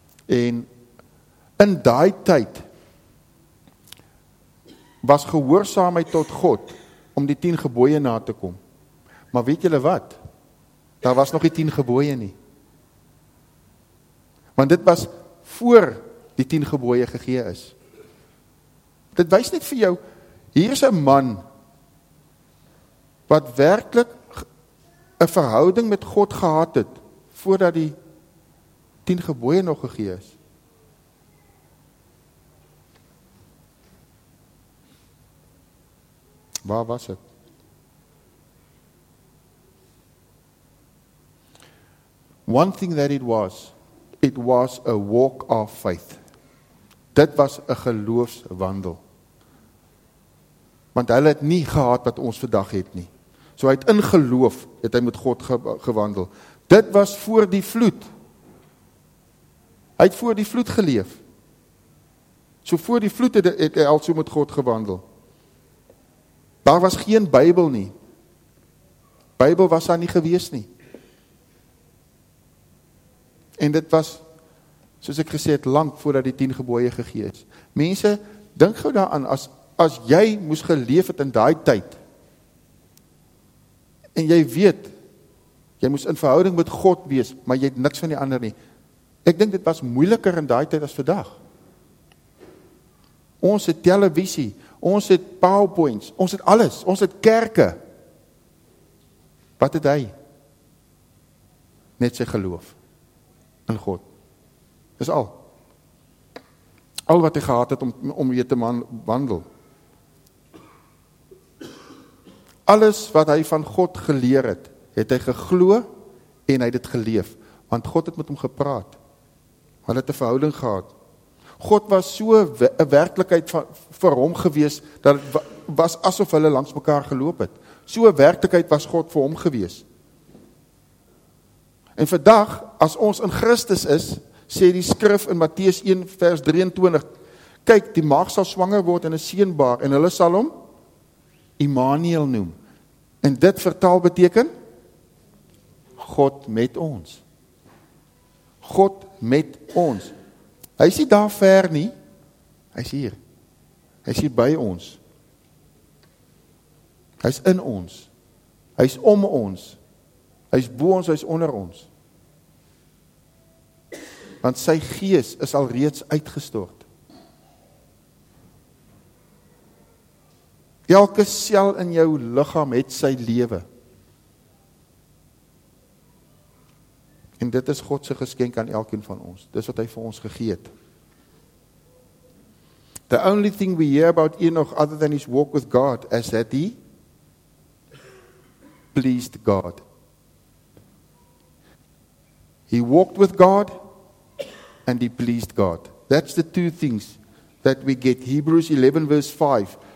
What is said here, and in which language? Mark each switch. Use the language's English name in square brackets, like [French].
[Afrikaans] En in daai tyd was gehoorsaamheid tot God om die 10 gebooie na te kom. Maar weet julle wat? Daar was nog die 10 gebooie nie. Want dit was voor die 10 gebooie gegee is. Dit wys net vir jou, hier is 'n man wat werklik 'n verhouding met God gehad het voordat die 10 gebooie nog gegee is. Waar was het? [English] One thing that it was a walk of faith. [Afrikaans] Dit was 'n geloofswandel. Want hulle het nie gehad wat ons vandag het nie. So hy het in geloof, het hy met God gewandel. Dit was voor die vloed. Hy het voor die vloed geleef. So voor die vloed het hy al so met God gewandel. Daar was geen Bybel nie. Bybel was daar nie gewees nie. En dit was, soos ek gesê het, lang voordat die 10 gebooie gegee is. Mense, dink gou daaraan, as jy moes geleef het in daai tyd, en jy weet, jy moes in verhouding met God wees, maar jy het niks van die ander nie. Ek dink dit was moeiliker in daai tyd as vandag. Ons het televisie, ons het PowerPoints, ons het alles, ons het kerke. Wat het hy? Net sy geloof. In God. Dis al. Al wat hy gehad het om weer te wandel. Alles wat hy van God geleer het, het hy geglo en hy het geleef. Want God het met hom gepraat. Hulle het 'n verhouding gehad. God was so 'n werklikheid vir hom gewees, dat het was asof hulle langs mekaar geloop het. So 'n werklikheid was God vir hom gewees. En vandag, as ons in Christus is, sê die skrif in Matteus 1 vers 23, kyk, die maag sal swanger word en 'n seun baar, en hulle sal hom Immanuel noem. En dit vertaal beteken, God met ons. God met ons. Hy is nie daar ver nie, hy is hier. Hy is hier by ons. Hy is in ons. Hy is om ons. Hy is bo ons, hy is onder ons. Want sy gees is al reeds uitgestort. Elke sel in jou liggaam het sy lewe. En dit is God se geskenk aan elkeen van ons. Dis wat hy vir ons gegee het. [English] The only thing we hear about Enoch other than his walk with God is that he pleased God. He walked with God and he pleased God. That's the two things that we get. Hebrews 11 verse 5.